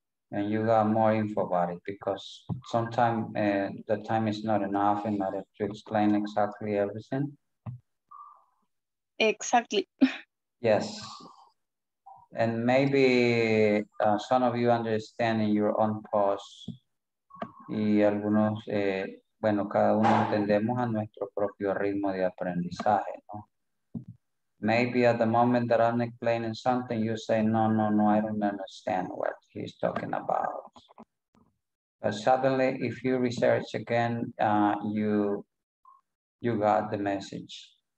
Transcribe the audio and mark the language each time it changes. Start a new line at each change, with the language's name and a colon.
English: And you got more info about it because sometimes the time is not enough in order to explain exactly everything. Exactly. Yes. And maybe some of you understand in your own post.
Spanish: Y algunos, bueno, cada uno entendemos a nuestro propio ritmo de aprendizaje, ¿no?
English: Maybe at the moment that I'm explaining something, you say, no, I don't understand what he's talking about. But suddenly, if you research again, you got the message.